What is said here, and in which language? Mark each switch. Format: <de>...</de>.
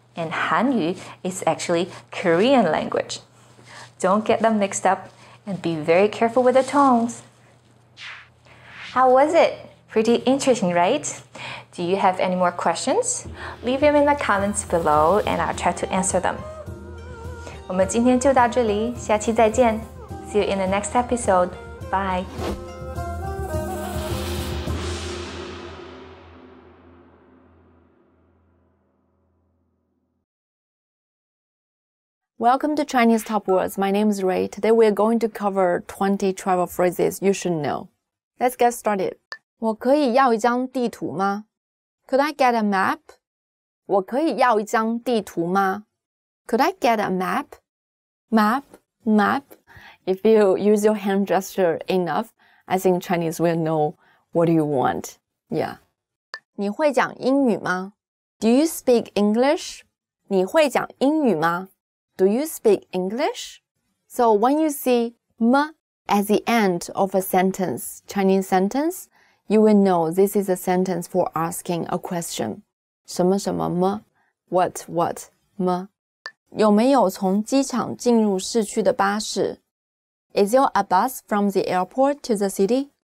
<en>And 韩语 is actually Korean language. Don't get them mixed up and be very careful with the tones. How was it? Pretty interesting, right? Do you have any more questions? Leave them in the comments below and I'll try to answer them.</en> <zh>我们今天就到这里, 下期再见.</zh> <en>See you in the next episode. Bye. Welcome to Chinese Top Words. My name is Ray. Today we are going to cover 20 travel phrases you should know. Let's get started.</en> <zh>我可以要一张地图吗?</zh> <en>Could I get a map?</en> <zh>我可以要一张地图吗?</zh> <en>Could I get a map? Map, map. If you use your hand gesture enough, I think Chinese will know what you want. Yeah.</en> <zh>你会讲英语吗?</zh> <en>Do you speak English?</en> <zh>你会讲英语吗?</zh> <en>Do you speak English? So when you see m at the end of a sentence, Chinese sentence, you will know this is a sentence for asking a question.</en> <zh>什么什么m?</zh> <en>What m?</en> <zh>有没有从机场进入市区的巴士?</zh> <en>Is there a bus from the airport to the city?</en>